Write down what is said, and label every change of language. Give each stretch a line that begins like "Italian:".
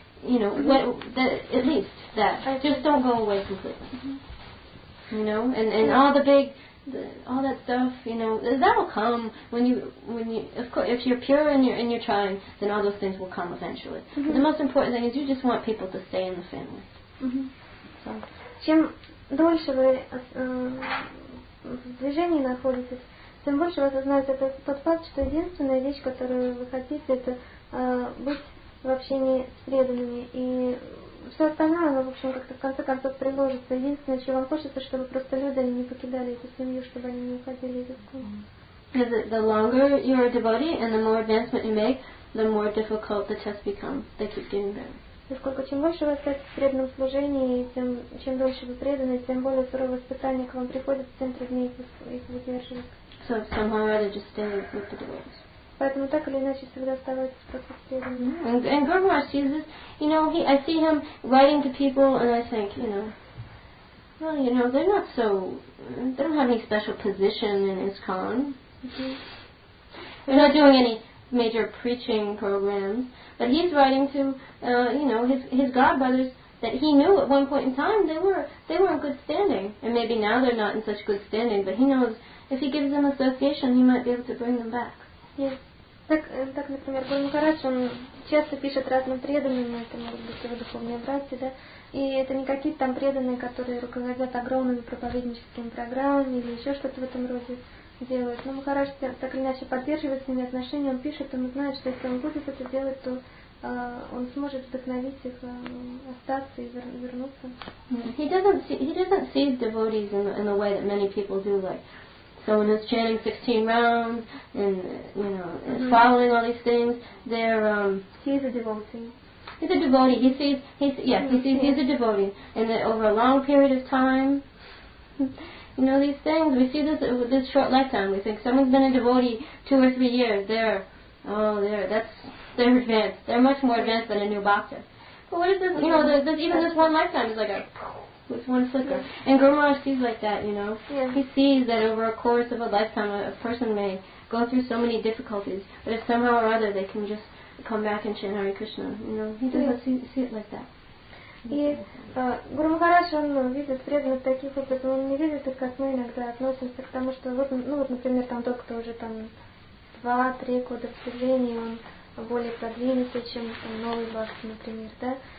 English: you know, mm-hmm. At least that. I just don't go away completely. Mm-hmm. You know, and yeah. All that stuff, you know, that will come when you of course, if you're pure and you're trying, then all those things will come eventually. Mm-hmm. The most important thing is you just want people to stay in the family. Mm-hmm. So.
Russian: Чем дольше вы в движении находитесь, тем больше вы осознаете тот факт, что единственная вещь, которую вы хотите, это быть в общении с преданными. И все остальное, оно, в общем, как-то в конце концов приложится. Единственное, чего вам хочется, чтобы просто люди не покидали эту семью, чтобы они не уходили из этого.
English: The longer you are a devotee and the more advancement you make, the more difficult the test becomes. They keep getting better.
Russian: Насколько чем больше вы остаетесь в преданном служении, чем дольше вы преданы, тем более суровое испытание к вам приходит, тем труднее их выдерживать.
English: So somehow or other just stay with the devotees.
Russian: Поэтому так или иначе всегда оставайтесь в процессе преданного.
English: And Guru Maharaj sees this, you know, I see him writing to people and I think, you know, well, you know, they're not so, they don't have any special position in ISKCON. They're not doing any major preaching programs. But he's writing to, you know, his godbrothers that he knew at one point in time they were in good standing. And maybe now they're not in such good standing, but he knows if he gives them association, he might be able to bring them back. Yes.
Russian: Так, например, Гуру Махарадж, он часто пишет разным преданным, это могут быть его духовные братья, да? И это не какие-то там преданные, которые руководят огромными проповедническими программами или еще что-то в этом роде. Делает. Но Махарадж так или иначе поддерживает с ними отношения, он пишет, он знает, что если он будет это делать, то он сможет вдохновить их остаться и вернуться.
English: He doesn't see devotees in the way that many people do, like someone who's chanting 16 rounds and, you know, mm-hmm. following all these things. He's a devotee. He's a devotee. He sees he's a devotee, and that over a long period of time. You know, these things, we see this with this short lifetime. We think someone's been a devotee 2 or 3 years. They're advanced. They're much more advanced than a new bhakta. But what is this? You know, even this one lifetime is like this one flicker. Yeah. And Guru Maharaj sees like that, you know. Yeah. He sees that over a course of a lifetime, a person may go through so many difficulties, but if somehow or other they can just come back and chant Hare Krishna. You know, he doesn't see it like that.
Russian: И Гуру Махарадж, он видит преданных таких образом, он не видит их, как мы иногда относимся к тому, что вот, ну вот, например, там тот, кто уже там 2-3 года в служении, он более продвинутый, чем там, новый бхакта, например, да.